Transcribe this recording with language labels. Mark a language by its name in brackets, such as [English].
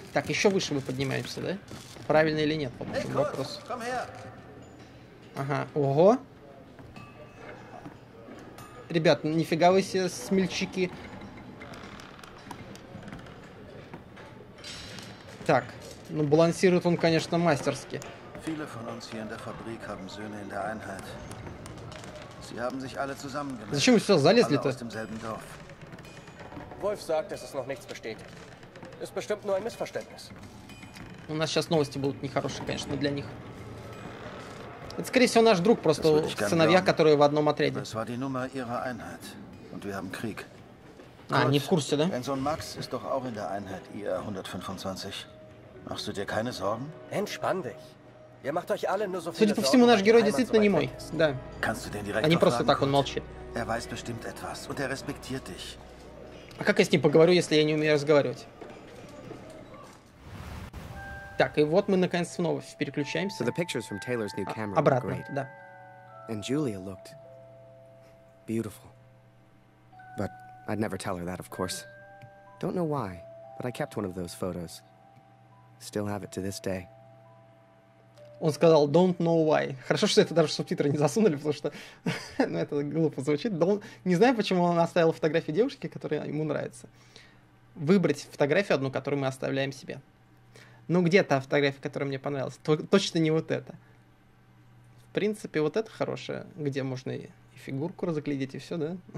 [Russian] Так, еще выше мы поднимаемся, да? Правильно или нет? Вот вопрос. Ага, ого. Ребят, нифига вы себе смельчаки. Так, ну балансирует он, конечно, мастерски. [German] Viele von uns hier in der Fabrik haben Söhne in der Einheit. Sie haben sich alle zusammengemacht. [Russian] Зачем вы все залезли-то? [German] Alle aus demselben Dorf. Wolf sagt, dass es noch nichts besteht. Ist bestimmt nur ein Missverständnis. [Russian] У нас сейчас новости будут нехорошие, конечно, для них. Это, скорее всего, наш друг, просто сыновья, которые в одном отряде. Это была номер их Einheit, и мы имеем Krieg. А, не в курсе, да? Сын [German] Макс ist doch auch in der Einheit, ihr 125. Machst du dir keine Sorgen? Entspann dich. Ihr macht euch alle nur so viele Sorgen. [Russian] Судя по всему, наш герой действительно не мой. Да. [German] Kannst du den direkt [Russian] Они просто так, он молчит. [German] Er weiß bestimmt etwas, und er respektiert dich. [Russian] А как я с ним поговорю, если я не умею разговаривать? Так, и вот мы наконец снова переключаемся. [English] The pictures from Taylor's new camera. [Russian] Обратно, да. [English] And Julia looked beautiful. But I'd never tell her that, of course. Don't know why, but I kept one of those photos. Still have it to this day. [Russian] Он сказал [English] don't know why. [Russian] Хорошо, что это даже субтитры не засунули, потому что ну это глупо звучит. Не знаю, почему он оставил фотографии девушки, которая ему нравится. Выбрать фотографию одну, которую мы оставляем себе. Ну, где та фотография, которая мне понравилась? Точно не вот это. В принципе, вот это хорошее, где можно и фигурку разглядеть, и все, да?